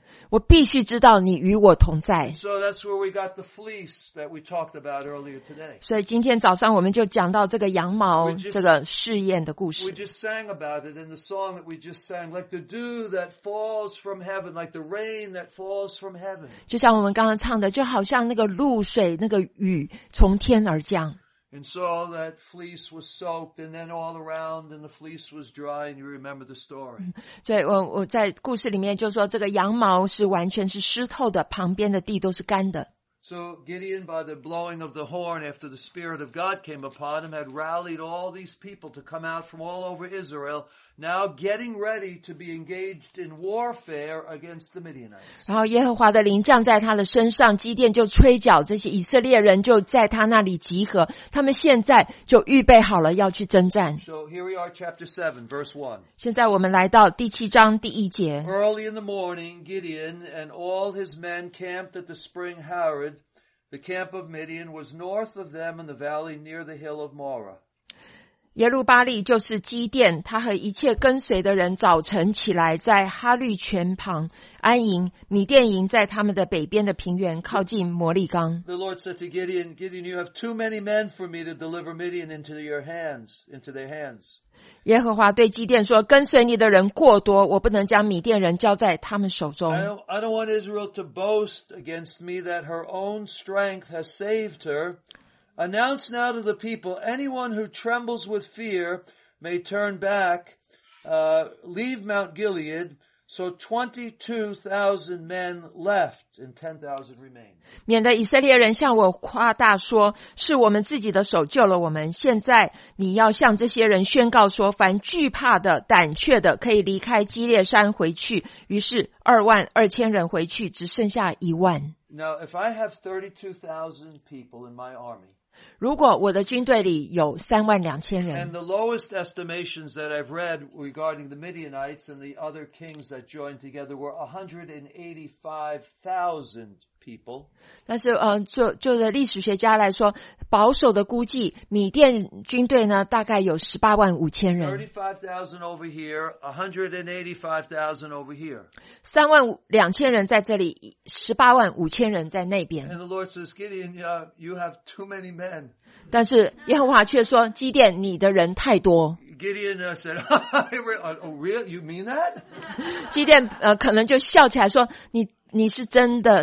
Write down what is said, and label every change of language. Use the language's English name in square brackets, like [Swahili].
[Chinese] 我必须知道你与我同在。所以今天早上我们就讲到这个羊毛这个试验的故事。 [English] We just sang about it in the song that we just sang, like the dew that falls from heaven, like the rain that falls from heaven. [Chinese] 就像我们刚刚唱的，就好像那个露水，那个雨从天而降。 [English] And so that fleece was soaked, and then all around, and the fleece was dry, and you remember the story. [Chinese] 对，我在故事里面就说，这个羊毛是完全是湿透的，旁边的地都是干的。 [English] So Gideon, by the blowing of the horn after the Spirit of God came upon him, had rallied all these people to come out from all over Israel, now getting ready to be engaged in warfare against the Midianites. [Chinese] 然后耶和华的灵降在他的身上，基甸就吹角，这些以色列人就在他那里集合，他们现在就预备好了要去征战。 [English] So here we are, chapter 7, verse 1. [Chinese] 现在我们来到第七章第一节。 [English] Early in the morning, Gideon and all his men camped at the spring Harod. The camp of Midian was north of them in the valley near the hill of Morah. [Chinese] 耶路巴利就是基甸，他和一切跟随的人早晨起来，在哈律泉旁安营。米甸营在他们的北边的平原，靠近摩利冈。 [English] The Lord said to Gideon, "Gideon, you have too many men for me to deliver Midian into your hands, into their hands." [Chinese] 耶和华对基甸说，跟随你的人过多，我不能将米甸人交在他们手中。 [English] I don't want Israel to boast against me that her own strength has saved her. Announce now to the people, anyone who trembles with fear may turn back, leave Mount Gilead. So 22,000 men left and 10,000 remained. [Chinese] 免得以色列人向我夸大说，是我们自己的手救了我们。现在你要向这些人宣告说，凡惧怕的、胆怯的，可以离开基列山回去。于是22,000人回去，只剩下一万。 [English] Now, if I have 32,000 people in my army, [Chinese] 如果我的军队里有32,000 人， [English] and the lowest estimations that I've read regarding the Midianites and the other kings that joined together were 185,000 people. [Chinese] 但是就的历史学家来说，保守的估计，米甸军队呢大概有185,000人。 [English] 35,000 over here, 185,000 over here. [Chinese] 32,000人在这里，185,000人在那边。 [English] And the Lord says, Gideon, you have too many men. [Chinese] 但是耶和华却说，基甸，你的人太多。 [English] Gideon said, oh, really? You mean that? [Chinese] 基甸可能就笑起来说，你是真的？